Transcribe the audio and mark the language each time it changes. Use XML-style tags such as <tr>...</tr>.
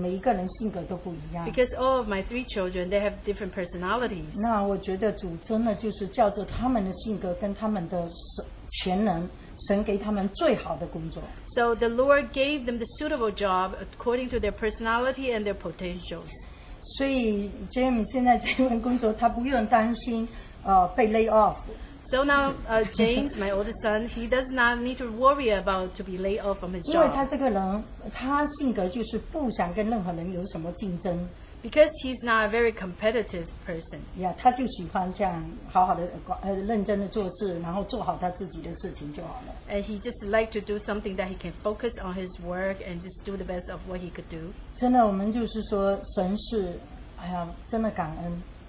<en>Because all of my three children, they have different personalities.</en> <zh>那我觉得主真的就是叫做他们的性格跟他们的潜能, 神给他们最好的工作。</zh> <en>So the Lord gave them the suitable job according to their personality and their potentials.</en> <zh>所以James现在这份工作, 他不用担心,被 lay off。</zh> <en>So now, James, my oldest son, he does not need to worry about to be laid off from his job.</en> <zh>因为他这个人, 他性格就是不想跟任何人有什么竞争。</zh> <en>Because he's not a very competitive person.</en> <zh>Yeah, 他就喜欢这样好好的, 认真的做事, 然后做好他自己的事情就好了。</zh> <en>And he just likes to do something that he can focus on his work and just do the best of what he could do.</en> <zh>真的我们就是说, 神是, 哎呀, 真的感恩。</zh>